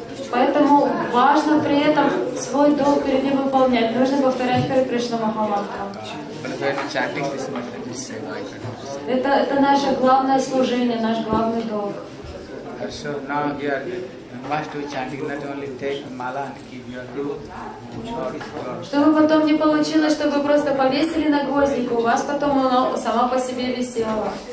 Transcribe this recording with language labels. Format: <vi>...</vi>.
<ru>Поэтому важно при этом свой долг перед ним выполнять. Нужно повторять Хари Кришна Махамантру. Это наше главное служение, наш главный долг.</ru> <en>So now you are must do chanting, not only take mala and keep your rope.</en> <ru>Чтобы потом не получилось, чтобы просто повесили на гвоздик, у вас потом оно само по себе висело.</ru>